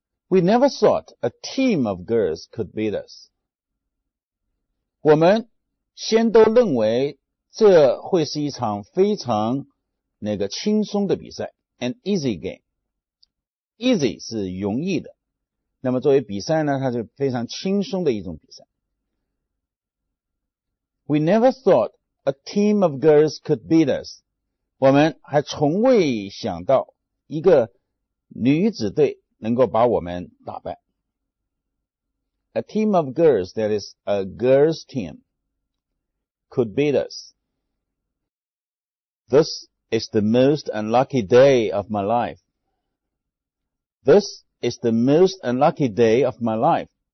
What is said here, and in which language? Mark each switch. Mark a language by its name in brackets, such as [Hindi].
[English] We never thought a team of girls could beat us. [Chinese] 我们先都认为这会是一场非常那个轻松的比赛 [English] ,an easy game. [Chinese] Easy 是容易的。那么作为比赛呢，它是非常轻松的一种比赛。 [English] We never thought a team of girls could beat us. [Chinese] 我们还从未想到一个女子队能够把我们打败。 [English] A team of girls, that is a girls team, could beat us. This is the most unlucky day of my life. This is the most unlucky day of my life.